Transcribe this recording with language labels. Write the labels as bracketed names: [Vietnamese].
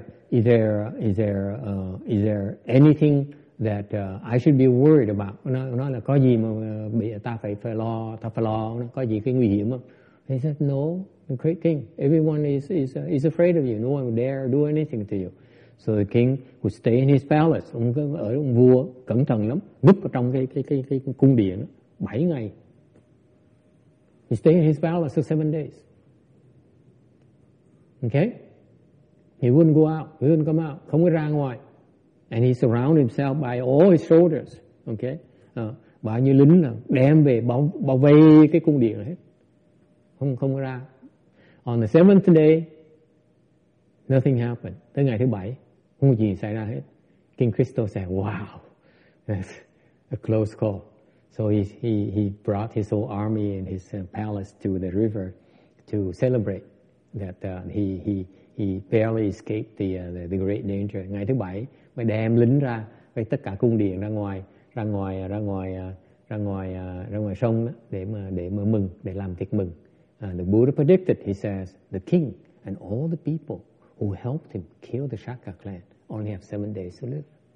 [English] Is there anything that I should be worried about? [Vietnamese] Nó là có gì mà bị ta phải lo? Nó có gì cái nguy hiểm không? [English] He said no, the great king. Everyone is afraid of you. No one dare do anything to you. So the king would stay in his palace. [Vietnamese] Ông vua cẩn thận lắm, núp ở trong cái cung điện đó, 7 ngày. [English] He stayed in his palace for 7 days. Okay? He wouldn't go out. He wouldn't come out. [Vietnamese] Không có ra ngoài. [English] And he surrounded himself by all his soldiers. Okay? [Vietnamese] Bao nhiêu lính là đem về bao vây cái cung điện hết. Không có ra. [English] On the 7th day, nothing happened. [Vietnamese] Tới ngày thứ 7, không gì xảy ra hết. [English] King Crystal said, wow, that's a close call. So he brought his whole army and his palace to the river to celebrate that he barely escaped the great danger. [Vietnamese] Ngày thứ 7, mới đem lính ra, với tất cả cung điện ra ngoài sông để mà mừng, để làm tiệc mừng. [English] The Buddha predicted, he says, the king and all the people who helped him kill the Shaka clan only have 7 days to live.